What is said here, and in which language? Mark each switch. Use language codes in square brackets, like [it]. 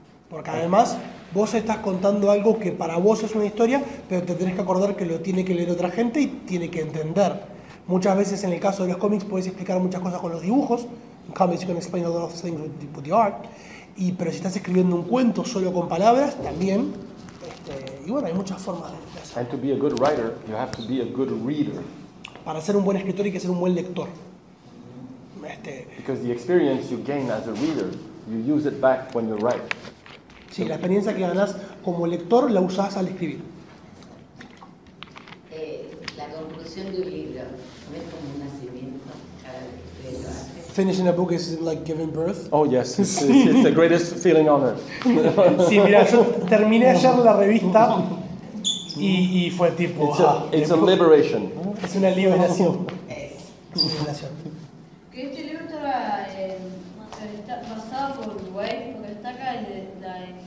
[es] Porque además, vos estás contando algo que para vos es una historia, pero te tenés que acordar que lo tiene que leer otra gente y tiene que entender. Muchas veces en el caso de los cómics puedes explicar muchas cosas con los dibujos. [en] In comics you can explain a lot of things with the art. [es] Pero si estás escribiendo un cuento solo con palabras, también. Y bueno, hay muchas formas de hacerlo. [en] And to be a good writer, you have to be a good reader. [es] Para ser un buen escritor hay que ser un buen lector. [en] Because the experience you gain as a reader, you use it back when you write. [es] Sí, la experiencia que ganas como lector la usas al escribir. La conclusión de un libro no es como un nacimiento. [en] Finishing a book is like giving birth. Oh yes, it's the greatest feeling on earth. [es] Sí, mira, yo terminé ayer la revista y fue tipo. [en] It's a liberation. [es] Es una liberación. Este libro está basado por Uruguay, porque está acá la.